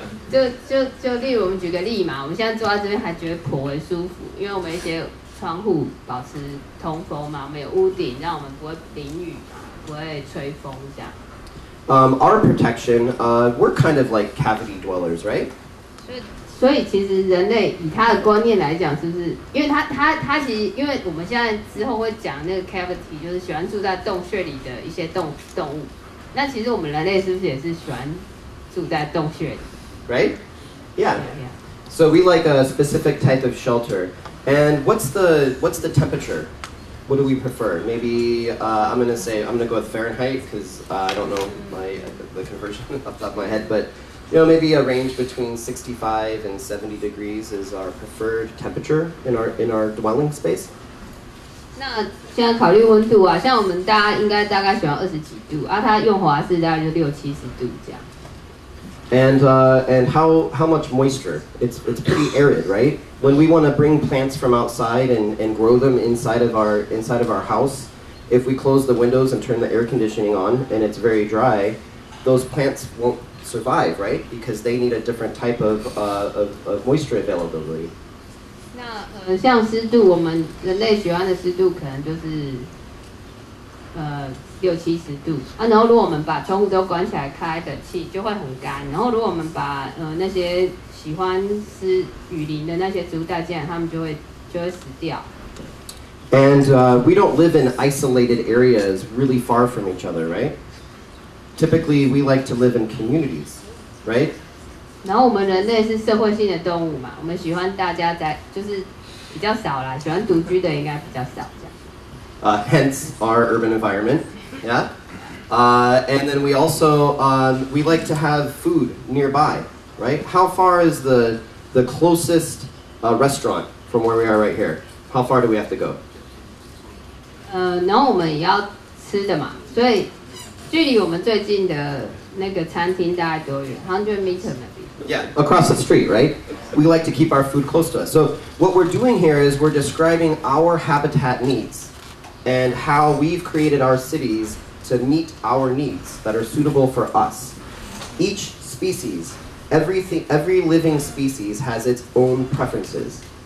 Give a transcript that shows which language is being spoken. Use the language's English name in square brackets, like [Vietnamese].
[Chinese] 就例如我们举个例嘛，我们现在坐在这边还觉得颇为舒服，因为我们一些窗户保持通风嘛，没有屋顶，让我们不会淋雨嘛，不会吹风这样。 [English] Our protection, we're kind of like cavity dwellers, right? [Chinese] 所以其实人类以他的观念来讲，是不是？因为他其实，因为我们现在之后会讲那个 cavity， 就是喜欢住在洞穴里的一些动物。那其实我们人类是不是也是喜欢住在洞穴里 [English] ？Right? Yeah. So we like a specific type of shelter. And what's the temperature? What do we prefer? Maybe I'm gonna go with Fahrenheit because I don't know the conversion off the top of my head, but you know, maybe a range between 65 and 70 degrees is our preferred temperature in our dwelling space. [Chinese] 那现在考虑温度啊，像我们大家应该大概喜欢二十几度啊，它用华氏大概就六七十度这样。 [English] And how much moisture? It's pretty arid, right? When we want to bring plants from outside and grow them inside of our house, if we close the windows and turn the air conditioning on and it's very dry, those plants won't. Survive, right? Because they need a different type of moisture availability. [Chinese] 那像湿度，我们人类喜欢的湿度可能就是六七十度啊。然后如果我们把窗户都关起来开的气，就会很干。然后如果我们把那些喜欢湿雨林的那些植物带进来，它们就会死掉。 [English] And we don't live in isolated areas, really far from each other, right? Typically, we like to live in communities, right? [Chinese] 然后我们人类是社会性的动物嘛，我们喜欢大家在，就是比较少啦，喜欢独居的应该比较少这样。 [English] Hence our urban environment, yeah. And then we also we like to have food nearby, right? How far is the closest restaurant from where we are right here? How far do we have to go? [Chinese] 然后我们也要吃的嘛，所以。距离我们最近的那个餐厅大概多远？好像就是 meter 那边。 [English] Yeah, across the street, right? We like to keep our food close to us. So what we're doing here is we're describing our habitat needs and how we've created our cities to meet our needs that are suitable for us. Each species, every living species has its own preferences.